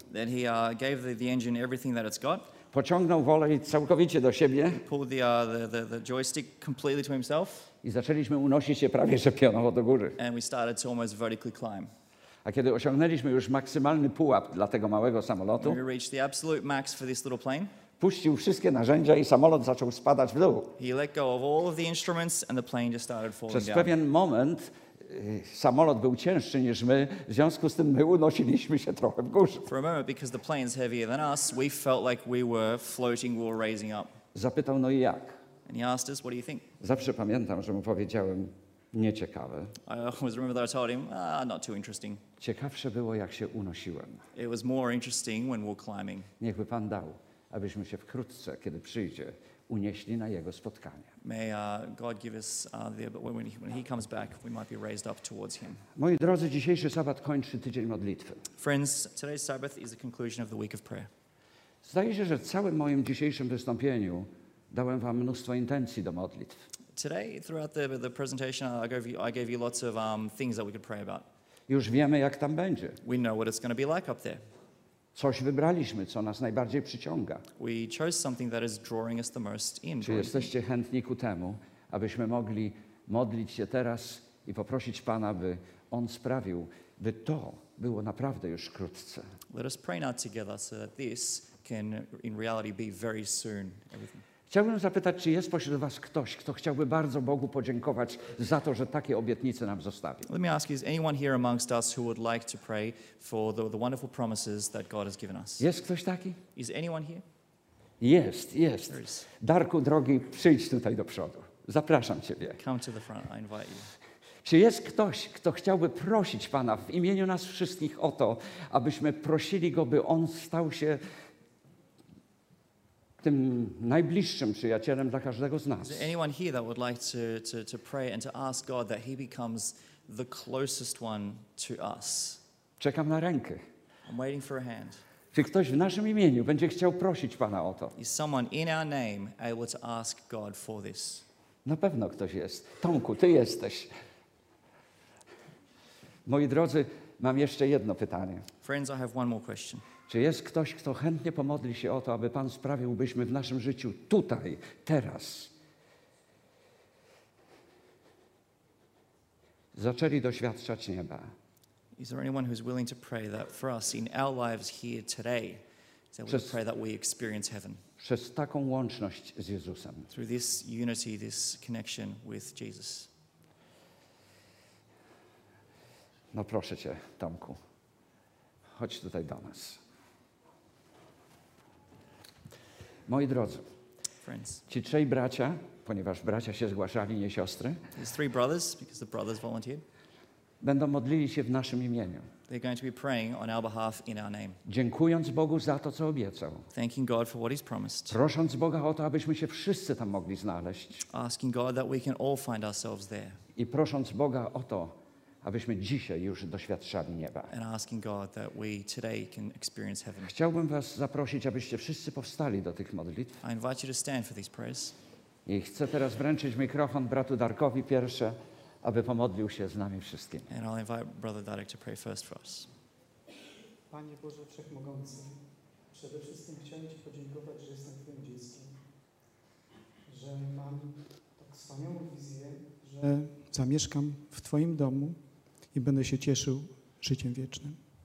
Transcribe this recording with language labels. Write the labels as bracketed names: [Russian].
[English] Then he gave the engine everything that it's got. [Polish] Pociągnął wolę całkowicie do siebie. [English] Pulled the joystick completely to himself. [Polish] I zaczęliśmy unosić się prawie że pionowo do góry. [English] And we started to almost vertically climb. [Polish] A kiedy osiągnęliśmy już maksymalny pułap dla tego małego samolotu, [English] we reached the absolute max for this little plane, [Polish] puścił wszystkie narzędzia i samolot zaczął spadać w dół. [English] He let go of all of the instruments and the plane just started falling down. [Polish] Przez pewien moment samolot był cięższy niż my, w związku z tym my unosiliśmy się trochę w górze. [English] For a moment, because the plane's heavier than us, we felt like we were floating, we were raising up. [Polish] Zapytał, no i jak? [English] And he asked us, what do you think? [Polish] Zawsze pamiętam, że mu powiedziałem, nieciekawe. [English] I always remember that I told him, not too interesting. [Polish] Ciekawsze było, jak się unosiłem. [English] It was more interesting when we're climbing. [Polish] Niech by Pan dał, abyśmy się wkrótce, kiedy przyjdzie, unieśli na jego spotkanie. [English] May God give us when he comes back, we might be raised up towards him. [Polish] Moi drodzy, dzisiejszy sabat kończy tydzień modlitwy. [English] Friends, today's Sabbath is the conclusion of the week of prayer. [Polish] Zdaje się, że w całym moim dzisiejszym wystąpieniu dałem wam mnóstwo intencji do modlitw. [English] Today, throughout the presentation, I gave you lots of things that we could pray about. [Polish] Już wiemy, jak tam będzie. [English] We know what it's going to be like up there. [Polish] Coś wybraliśmy, co nas najbardziej przyciąga. [English] We chose something that is drawing us the most in. [Polish] Czy jesteście chętni ku temu, abyśmy mogli modlić się teraz i poprosić Pana, by On sprawił, by to było naprawdę już wkrótce? [English] Let us pray now together so that this can in reality be very soon. [Polish] Chciałbym zapytać, czy jest pośród was ktoś, kto chciałby bardzo Bogu podziękować za to, że takie obietnice nam zostawił? [English] Let me ask you, is anyone here amongst us who would like to pray for the wonderful promises that God has given us? [Polish] Jest ktoś taki? [English] Is anyone here? [Polish] Jest, jest. Darku drogi, przyjdź tutaj do przodu. Zapraszam ciebie. [English] Come to the front, I invite you. [Polish] Czy jest ktoś, kto chciałby prosić Pana w imieniu nas wszystkich o to, abyśmy prosili Go, by On stał się tym najbliższym przyjacielem dla każdego z nas? [English] Is there anyone here that would like to pray and to ask God that He becomes the closest one to us? [Polish] Czekam na rękę. [English] I'm waiting for a hand. [Polish] Czy ktoś w naszym imieniu będzie chciał prosić Pana o to? [English] Is someone in our name able to ask God for this? [Polish] Na pewno ktoś jest. Tomku, ty jesteś. Moi drodzy, mam jeszcze jedno pytanie. [English] Friends, I have one more question. [Polish] Czy jest ktoś, kto chętnie pomodli się o to, aby Pan sprawił, byśmy w naszym życiu tutaj, teraz, zaczęli doświadczać nieba? [English] Is there anyone who's willing to pray that for us in our lives here today, that we pray that we experience heaven? [Polish] Przez taką łączność z Jezusem. [English] Through this unity, this connection with Jesus. [Polish] No proszę Cię, Tomku, chodź tutaj do nas. Moi drodzy, [English] friends. [Polish] Ci trzej bracia, ponieważ bracia się zgłaszali, nie siostry, [English] these three brothers, because the brothers volunteered, [Polish] będą modlili się w naszym imieniu. [English] They're going to be praying on our behalf in our name. [Polish] Dziękując Bogu za to, co obiecał. [English] Thanking God for what He's promised. [Polish] Prosząc Boga o to, abyśmy się wszyscy tam mogli znaleźć. [English] Asking God that we can all find ourselves there. [Polish] I prosząc Boga o to, abyśmy dzisiaj już doświadczali nieba. [English] And asking God that we today can experience heaven. [Polish] Chciałbym was zaprosić, abyście wszyscy powstali do tych modlitw. [English] I invite you to stand for these prayers. [Polish] I chcę teraz wręczyć mikrofon bratu Darkowi pierwsze, aby pomodlił się z nami wszystkim. [English] And I'll invite brother Darek to pray first for us. [Polish] Panie Boże Wszechmogący, przede wszystkim chciałem Ci podziękować, że jestem Twoim dzieckiem, że mam tak wspaniałą wizję, że zamieszkam w Twoim domu i będę się cieszył życiem wiecznym.